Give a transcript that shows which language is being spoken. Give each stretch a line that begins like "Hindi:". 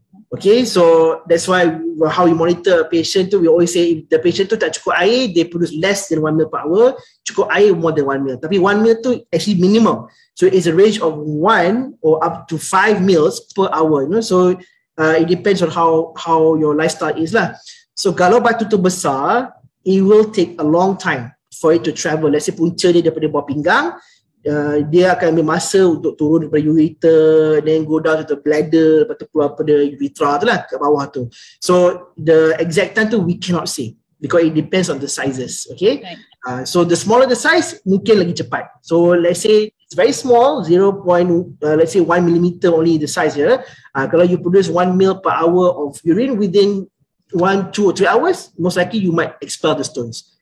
English: Okay, so that's why how we monitor a patient tu, we always say if the patient tu
Malay: tak cukup air,
English: they produce less than 1 ml per hour,
Malay: cukup air
English: more than 1 ml.
Malay: Tapi 1 ml tu
English: actually minimum. So it's a range of 1 or up to 5 mils per hour. You know? So it depends on how your lifestyle is lah. So
Malay: kalau batu tu besar,
English: it will take a long time for it to travel.
Malay: Let's say punca dia daripada bawah pinggang, dia akan ambil masa untuk turun daripada ureter,
English: then go down to the bladder,
Malay: lepas tu keluar daripada urethra tu lah, kat bawah tu.
English: So the exact time tu we cannot say, because it depends on the sizes, okay? So the smaller the size,
Malay: mungkin lagi cepat.
English: So let's say it's very small, 1 millimeter only the size here. Kalau you produce 1 ml per hour of urine within 1, 2 or 3 hours, most likely you might expel the stones.